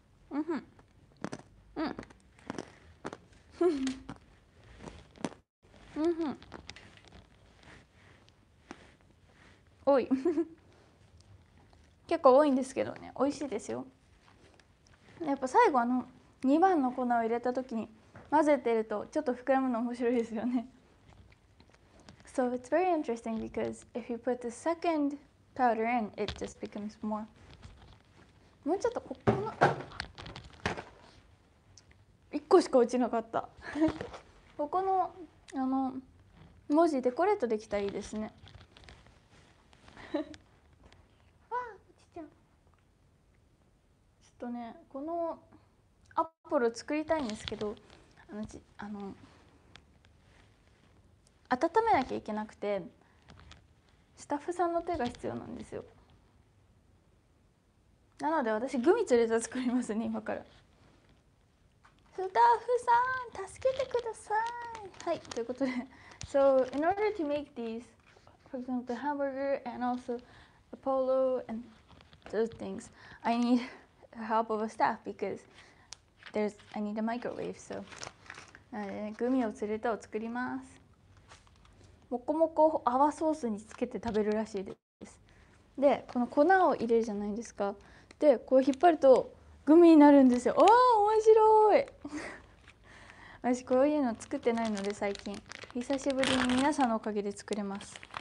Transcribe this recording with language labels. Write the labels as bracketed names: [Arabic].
[Japanese] うんふん、うんうんふん、おい結構多いんですけどね、美味しいですよ。やっぱ最後あの2番の粉を入れた時に混ぜてるとちょっと膨らむの面白いですよね。 [English] So it's very interesting because if you put the second powder in, it just becomes more. [Japanese] もうちょっと、この1個しか落ちなかったここのあの文字デコレートできたらいいですねとね、このアポロ作りたいんですけど、あの温めなきゃいけなくて、スタッフさんの手が必要なんですよ。なので私グミ連れて作りますね、今から。スタッフさん助けてください。はい、ということで、 [English] So in order to make these, for example, hamburger and also Apollo and those things, I needthe help of a staff because there's I need a microwave. [Japanese] So, グミを連れてを作ります。もこもこ泡ソースにつけて食べるらしいです。で、この粉を入れるじゃないですか。で、こう引っ張るとグミになるんですよ。おー、面白い。私こういうの作ってないので、最近久しぶりに皆さんのおかげで作れます。